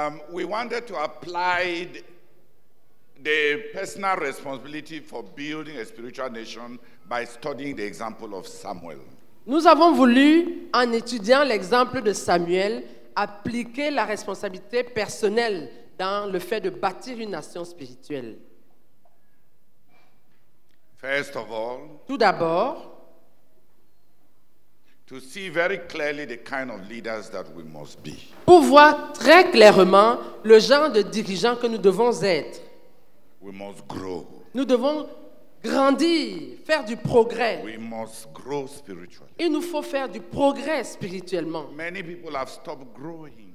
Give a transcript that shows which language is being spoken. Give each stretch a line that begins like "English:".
English: We wanted to apply the personal responsibility for building a spiritual nation by studying the example of Samuel.
French: Nous avons voulu, en étudiant l'exemple de Samuel, appliquer la responsabilité personnelle dans le fait de bâtir une nation spirituelle.
English: First of all,
French: tout d'abord,
English: to see very clearly the kind of leaders that we must be.
French: Pour voir très clairement le genre de dirigeant que nous devons être.
English: We must grow.
French: Nous devons grandir, faire du progrès.
English: We must grow spiritually.
French: Il nous faut faire du progrès spirituellement.
English: Many people have stopped growing.